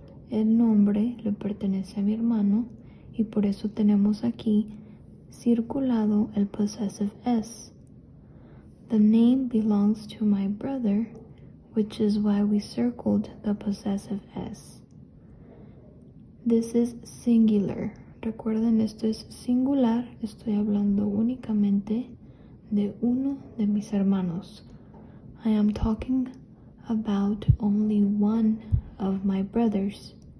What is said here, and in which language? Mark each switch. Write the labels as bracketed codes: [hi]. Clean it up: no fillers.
[es] El nombre le pertenece a mi hermano y por eso tenemos aquí circulado el possessive s. [en] The name belongs to my brother, which is why we circled the possessive s. This is singular. [es] Recuerden, esto es singular. Estoy hablando únicamente de uno de mis hermanos. [en] I am talking about only one of my brothers.